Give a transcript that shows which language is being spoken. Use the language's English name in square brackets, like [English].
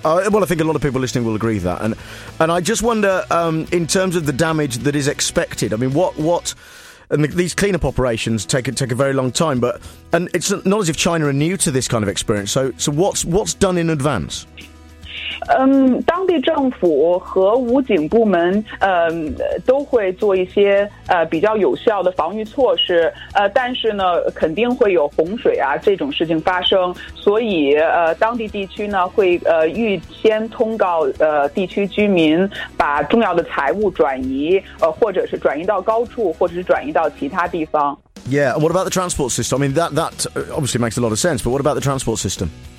[English] Well, I think a lot of people listening will agree with that. And I just wonder, in terms of the damage that is expected, I mean, these cleanup operations take a very long time, but it's not as if China are new to this kind of experience. So what's done in advance? [Chinese] 当地政府和武警部门都会做一些比较有效的防御措施，但是呢肯定会有洪水啊这种事情发生，所以当地地区呢会预先通告地区居民把重要的财物转移，或者是转移到高处，或者是转移到其他地方。 [English] Yeah, what about the transport system? I mean, that obviously makes a lot of sense, but what about the transport system?